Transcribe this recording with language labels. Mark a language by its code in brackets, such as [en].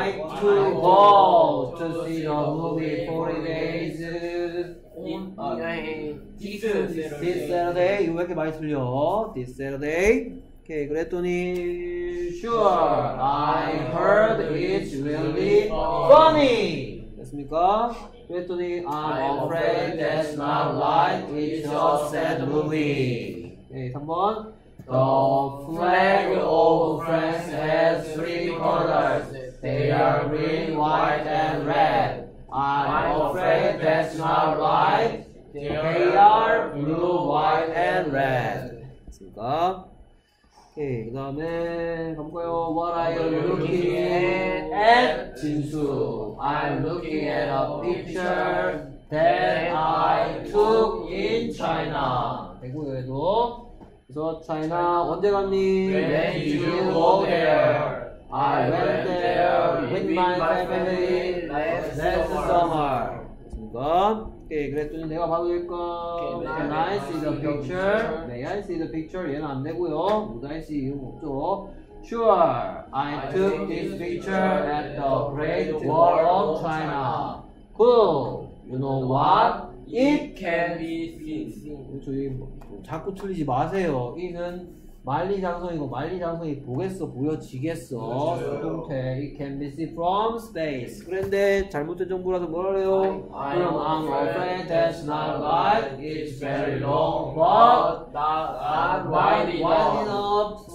[en] Would you like to go to see the movie 40 days in a This Saturday. [ko] 이거 왜 이렇게 많이 틀려? [en] This Saturday. [ko] 오케이, 그랬더니 [en] Sure, I heard it's really funny. [ko] 됐습니까? 그랬더니 [en] I'm afraid that's not right. It's a sad movie. [ko] 오케이, 3번. [en] The flag of France has three colors. They are green, white, and red. I'm afraid that's not right. They are blue, white, and red. [ko] 됐습니다. 오케이, 그 다음에 가볼까요? [en] What are you looking at? 진수. I'm looking at a picture that I took in China. [ko] 대구에도. 그래서 차이나 언제 갔니? [en] When did you go there? I went there with my family last summer. [ko] 됐습니다. 오케이, 그랬더니 내가 봐도 될까? [en] Can I see the picture? May I see the picture? [ko] 얘는 안 되고요. [en] Would I see? [ko] 이건 없죠. [en] Sure, I took this picture at the Great Wall of China. Cool, you know what? It can be seen. [ko] 저희 자꾸 틀리지 마세요. It은 만리장성이고 만리장성이 보겠어, 보여지겠어. 그렇죠. [en] It can be seen from space. [ko] 그런데 잘못된 정보라서 뭐라래요? [en] I'm afraid that's not right. It's very long, but not wide enough.